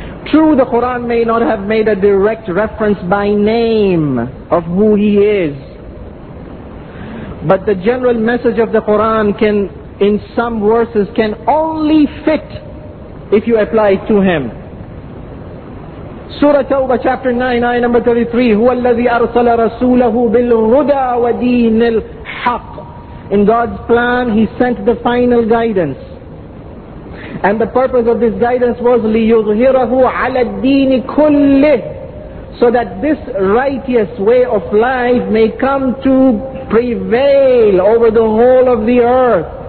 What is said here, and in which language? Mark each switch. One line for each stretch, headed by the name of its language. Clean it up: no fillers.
English: True, the Quran may not have made a direct reference by name of who he is, but the general message of the Quran can, in some verses, can only fit if you apply it to him. Surah Tawbah, chapter 9, ayah number 33,
Arabic: هو الذي أرسل رسوله بالهدى ودين الحق.
English: In God's plan, He sent the final guidance. And the purpose of this guidance was
Arabic: لِيُظْهِرَهُ عَلَى الدِّينِ كُلِّهِ,
English: so that this righteous way of life may come to prevail over the whole of the earth.